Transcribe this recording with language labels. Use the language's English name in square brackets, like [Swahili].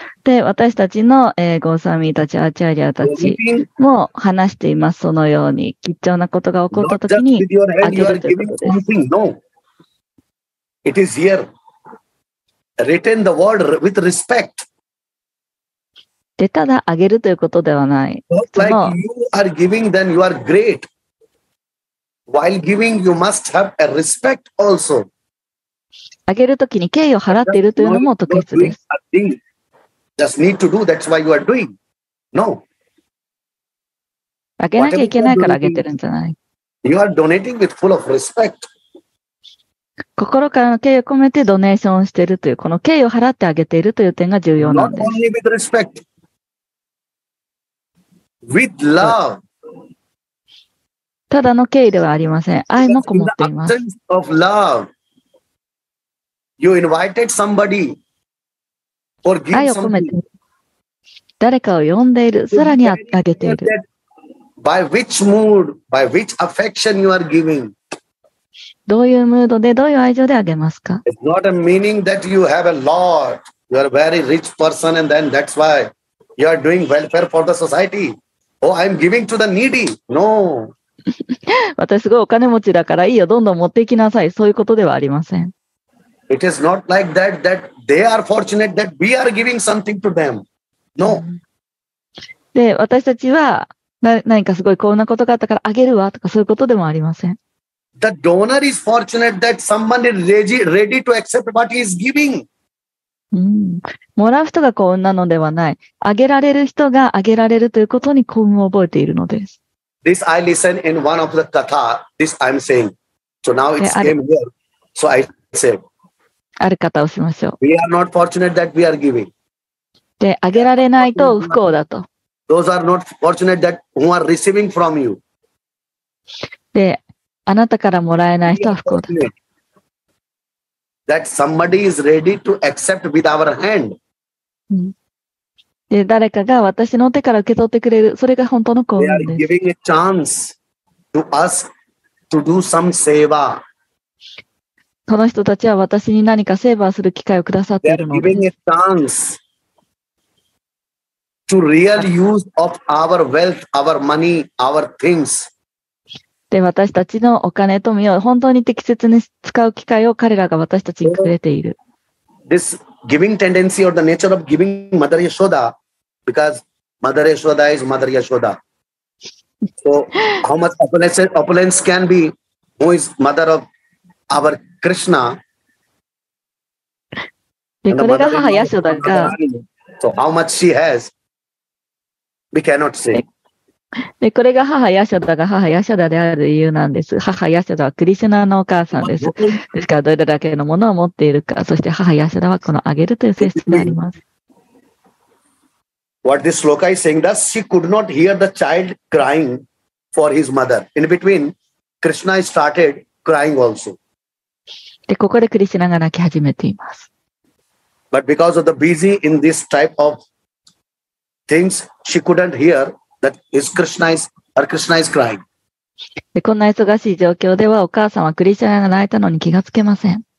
[Japanese] で、私たちの、ゴーサミーたち、アーチャーリアたちも話しています。そのように、貴重なことが起こったときにあげるということです。 [English] It is here. Retain the word with respect. [Japanese] で、ただあげるということではない。 [English] Like you are giving, then you are great. While giving, you must have a respect also. [Japanese] あげるときに敬意を払っているというのも特別です。 [English] Just need to do. That's why you are doing. No. [Japanese] あげなきゃいけないからあげてるんじゃない。 [English] You are donating with full of respect. [Japanese] 心からの敬意を込めてドネーションしているという、この敬意を払ってあげているという点が重要なんです。 [English] Not only with respect. With love. [Japanese] ただの敬意ではありません。愛もこもっています。 [English] In the absence of love, you invited somebody or give something. [Japanese] 愛を込めて、誰かを呼んでいる、さらにあげている。 [English] By which mood, by which affection you are giving? [Japanese] どういうムードで、どういう愛情であげますか? [English] It's not a meaning that you have a lot. You are a very rich person and then that's why you are doing welfare for the society. Oh, I'm giving to the needy. No. [Japanese] 私すごいお金持ちだからいいよどんどん持って行きなさいそういうことではありません。 [English] It is not like that that they are fortunate that we are giving something to them. No. [Japanese] で私たちは何かすごい幸運なことがあったからあげるわとかそういうことでもありません。 [English] The donor is fortunate that someone is ready to accept what he is giving. [Japanese] もらう人が幸運なのではない。あげられる人があげられるということに幸運を覚えているのです。 [English] This I listen in one of the katha. This I'm saying. So now it's came here. So I say. [Japanese] ある方をしましょう。 [English] We are not fortunate that we are giving. [Japanese] で、あげられないと不幸だと。 [English] Those are not fortunate that who are receiving from you. [Japanese] で、あなたからもらえない人は不幸だと。 [English] That somebody is ready to accept with our hand. [Japanese] で誰かが私の手から受け取ってくれる、それが本当の幸運です。 [English] They are giving a chance to us to do some seva. [Japanese] この人たちは私に何かセーバーする機会をくださっているのです。 [English] They are giving a chance to real use of our wealth, our money, our things. [Japanese] で私たちのお金と身を本当に適切に使う機会を彼らが私たちにくれている。 [English] This giving tendency or the nature of giving Mother Yashoda, because Mother Yashoda is Mother Yashoda. So how much opulence can be who is mother of our Krishna? So how much she has, we cannot say. [Japanese] でこれが母ヤシャダが母ヤシャダである理由なんです。母ヤシャダはクリシュナのお母さんです。ですからどれだけのものを持っているか、そして母ヤシャダはこのあげるという性質であります。 [English] what this sloka is saying, that she could not hear the child crying for his mother. In between, Krishna started crying also. But because of the busy in this type of things, she couldn't hear that Krishna is crying.